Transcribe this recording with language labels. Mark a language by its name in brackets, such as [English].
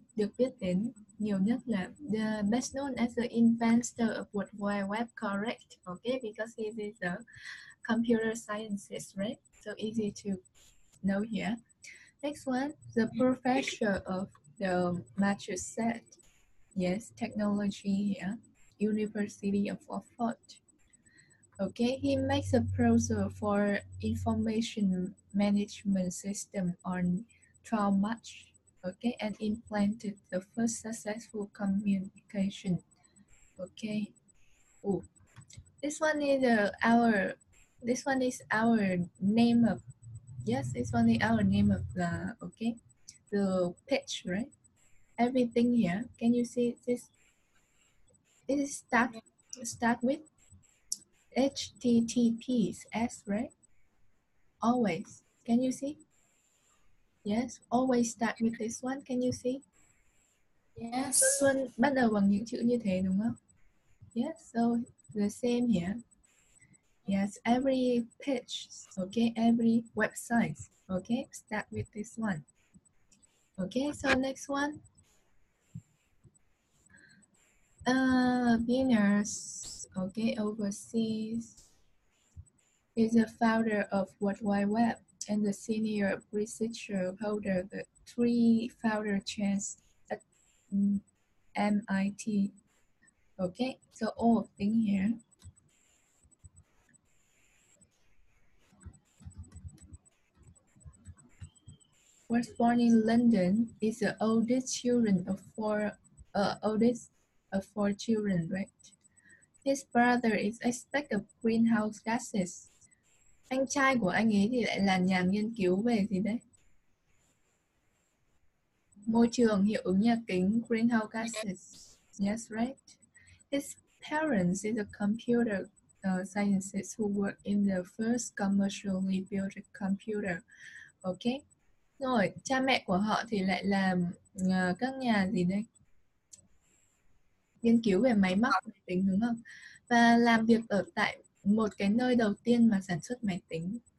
[Vietnamese] Được biết đến nhiều nhất là [English] the best known as the inventor of World Wide Web, correct? Okay, because he is a computer scientist, right? So easy to know here. Next one, the professor of the Massachusetts, yes, technology here, University of Oxford. Okay, he makes a proposal for information management system on 12 March. Okay, and implanted the first successful communication. Okay. Ooh. This one is our name of, yes, this one is our name of the, okay, the pitch, right? Everything here. Can you see this? It is start with HTTPS, right? Always. Can you see? Yes, always start with this one. Can you see? Yes. [Vietnamese] Luôn bắt đầu bằng những chữ như thế đúng không? [English] Yes, so the same here. Yes, every page, okay, every website, okay, start with this one. Okay, so next one. Venus, okay, overseas, is the founder of World Wide Web and the senior researcher holder the three founder chairs at MIT. Okay, so all thing here. Was born in London, is the oldest children of four children, right? His brother is expert of greenhouse gases. [Vietnamese] Anh trai của anh ấy thì lại là nhà nghiên cứu về gì đấy? Môi trường, hiệu ứng nhà kính, [English] greenhouse gases. Yes, right? His parents is a computer scientist who work in the first commercially built computer. Okay? [Vietnamese] Rồi, cha mẹ của họ thì lại làm các nhà gì đấy? Nghiên cứu về máy móc, máy tính đúng không? Và làm việc ở tại một cái nơi đầu tiên mà sản xuất máy tính.